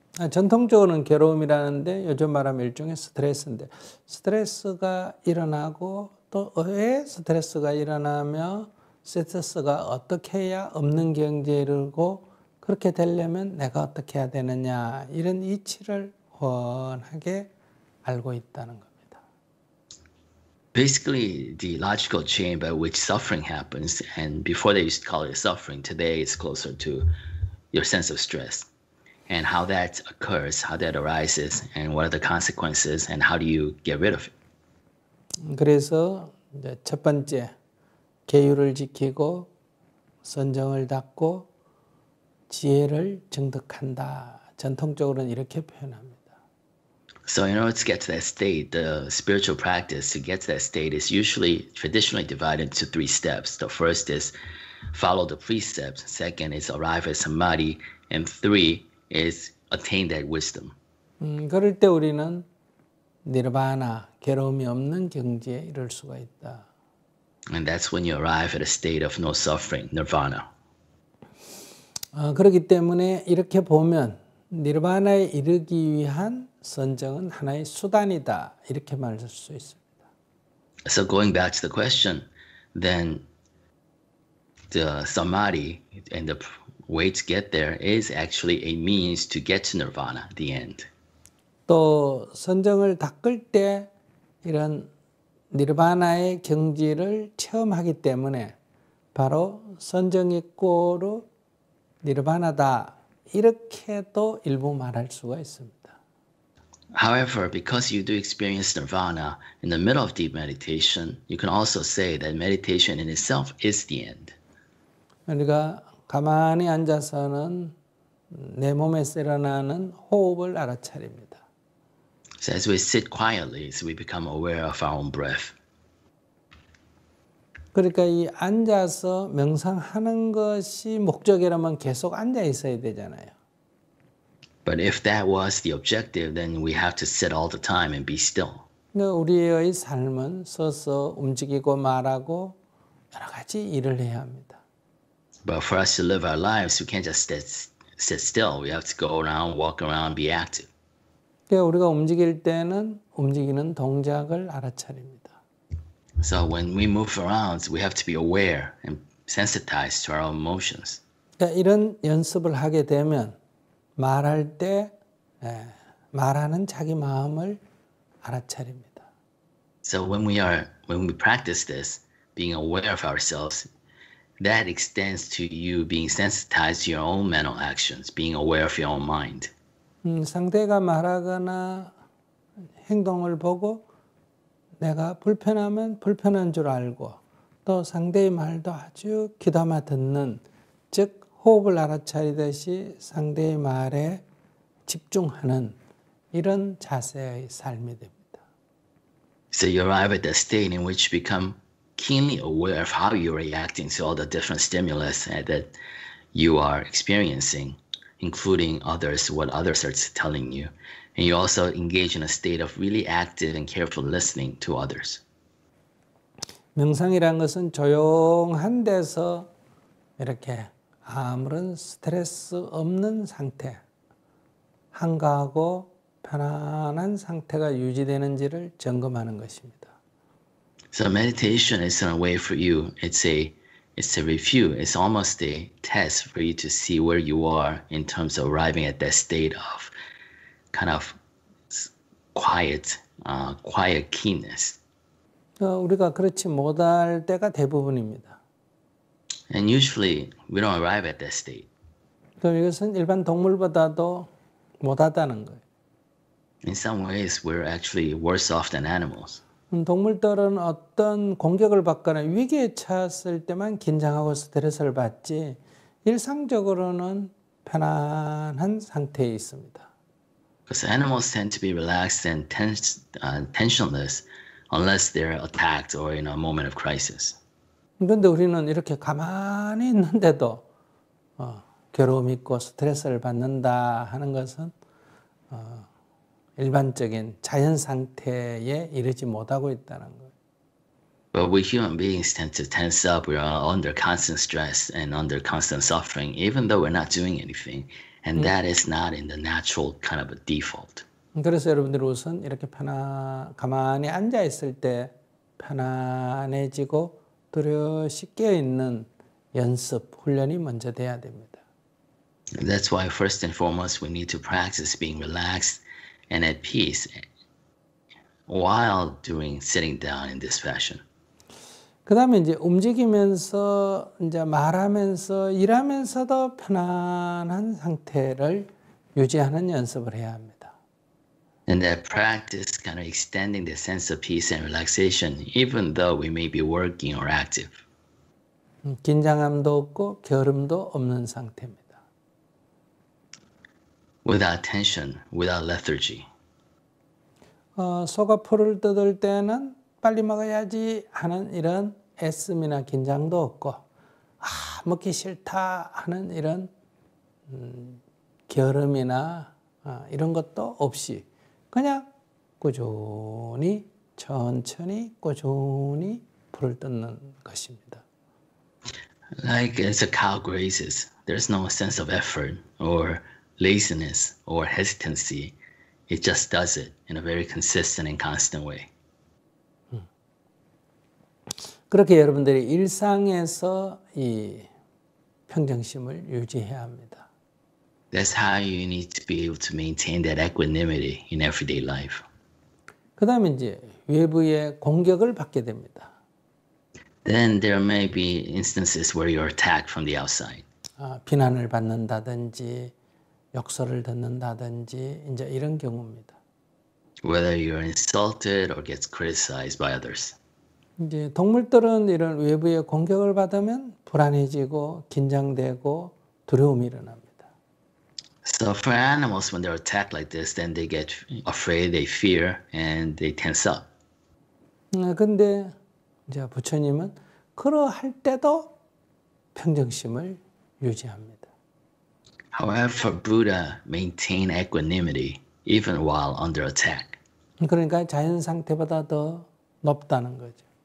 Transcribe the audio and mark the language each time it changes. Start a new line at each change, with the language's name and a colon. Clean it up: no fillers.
Korean: 전통적으로는 괴로움이라는데 요즘 말하면 일종의 스트레스인데 스트레스가 일어나고 또 왜 스트레스가 일어나며 스트레스가 어떻게 해야 없는 경지에 이르고 그렇게 되려면 내가 어떻게 해야 되느냐 이런 이치를 훤하게 알고 있다는 겁니다.
English: Basically the logical chain by which suffering happens and before they used to call it suffering, today it's closer to your sense of stress. And how that occurs, how that arises, and what are the consequences, and how do you get rid of it?
Korean: 그래서 이제 첫 번째, 계율을 지키고 선정을 닦고 지혜를 증득한다. 전통적으로는 이렇게 표현합니다.
English: So in order to get to that state, the spiritual practice to get to that state is usually traditionally divided into three steps. The first is follow the precepts. Second is arrive at samadhi. And three is attain that wisdom.
Korean: 그럴 때 우리는 니르바나, 괴로움이 없는 경지에 이를 수가 있다.
English: And that's when you arrive at a state of no suffering, nirvana.
Korean: 그렇기 때문에 이렇게 보면 니르바나에 이르기 위한 선정은 하나의 수단이다. 이렇게 말할 수 있습니다.
English: So going back to the question, then the samadhi and the way to get there is actually a means to get to nirvana, the end.
Korean: 또 선정을 닦을 때 이런 니르바나의 경지를 체험하기 때문에 바로 선정의 꼴로 니르바나다 이렇게도 일부 말할 수가 있습니다.
English: However, because you do experience nirvana in the middle of deep meditation, you can also say that meditation in itself is the end.
Korean: 우리가 가만히 앉아서는 내 몸에서 일어나는 호흡을 알아차립니다.
English: So as we sit quietly, so we become aware of our own breath.
Korean: 그러니까 이 앉아서 명상하는 것이 목적이라면 계속 앉아 있어야 되잖아요.
English: But if that was the objective, then we have to sit all the time and be still.
Korean: 우리의 삶은 서서 움직이고 말하고 여러 가지 일을 해야 합니다.
English: But for us to live our lives, we can't just sit still. We have to go around, walk around, be active.
Korean: 그러니까 우리가 움직일 때는 움직이는 동작을 알아차립니다.
English: So when we move around, we have to be aware and sensitized to our own motions.
Korean: 그러니까 이런 연습을 하게 되면 말할 때 말하는 자기 마음을 알아차립니다.
English: So when we practice this, being aware of ourselves, that extends to you being sensitized to your own mental actions, being aware of your own mind.
Korean: 상대가 말하거나 행동을 보고 내가 불편하면 불편한 줄 알고 또 상대의 말도 아주 귀담아 듣는 즉 호흡을 알아차리듯이 상대의 말에 집중하는 이런 자세의 삶이 됩니다.
English: So you arrive at the state in which you become keenly aware of how you're reacting to all the different stimulus that you are experiencing. Including others, what others are telling you. And you also engage in a state of really active and careful listening to others.
Korean: 명상이란 것은 조용한 데서 이렇게 아무런 스트레스 없는 상태, 한가하고 편안한 상태가 유지되는지를 점검하는 것입니다.
English: So meditation is in a way for you. It's a review. It's almost a test for you to see where you are in terms of arriving at that state of kind of quiet keenness.
Korean: 우리가 그렇지 못할 때가 대부분입니다.
English: And usually we don't arrive at that state.
Korean: 그럼 이것은 일반 동물보다도 못하다는 거예요.
English: In some ways, we're actually worse off than animals.
Korean: 동물들은 어떤 공격을 받거나 위기에 처했을 때만 긴장하고 스트레스를 받지 일상적으로는 편안한 상태에 있습니다.
English: Because animals tend to be relaxed and tensionless unless they're attacked or in a moment of crisis.
Korean: 그런데 우리는 이렇게 가만히 있는데도 괴로움 있고 스트레스를 받는다 하는 것은 일반적인 자연 상태에 이르지 못하고 있다는 거예요.
English: But we human beings tend to tense up. We are under constant stress and under constant suffering, even though we're not doing anything. And that is not in the natural kind of a default.
Korean: 그래서 여러분들 우선 이렇게 가만히 앉아 있을 때 편안해지고 두려워 씻겨 있는 연습 훈련이 먼저 돼야 됩니다.
English: That's why first and foremost we need to practice being relaxed. And at peace while doing sitting down in this fashion.
Korean: 그다음에 이제 움직이면서 이제 말하면서 일하면서도 편안한 상태를 유지하는 연습을 해야 합니다.
English: And that practice kind of extending the sense of peace and relaxation even though we may be working or active.
Korean: 긴장함도 없고 게으름도 없는 상태입니다.
English: Without tension, without lethargy.
Korean: 소가 풀을 뜯을 때는 빨리 먹어야지 하는 이런 애씀이나 긴장도 없고 먹기 싫다 하는 이런 게으름이나 이런 것도 없이 그냥 꾸준히 천천히 꾸준히 불을 뜯는 것입니다.
English: Like as a cow grazes, there's no sense of effort or laziness or hesitancy. It just does it in a very consistent and constant way.
Korean: 그렇게 여러분들이 일상에서 이 평정심을 유지해야 합니다.
English: That's how you need to be able to maintain that equanimity in everyday life.
Korean: 그 다음에 이제 외부의 공격을 받게 됩니다.
English: Then there may be instances where you're attacked from the outside.
Korean: 비난을 받는다든지 욕설을 듣는다든지 이제 이런 경우입니다.
English: Whether you're insulted or get criticized by others.
Korean: 이제 동물들은 이런 외부의 공격을 받으면 불안해지고 긴장되고 두려움이 일어납니다.
English: So for animals, when they're attacked like this, then they get afraid, they fear, and they tense up.
Korean: 근데 이제 부처님은 그러할 때도 평정심을 유지합니다.
English: However, Buddha maintained equanimity even while under attack.
Korean: 그러니까 자연 상태보다 더 높다는 거죠.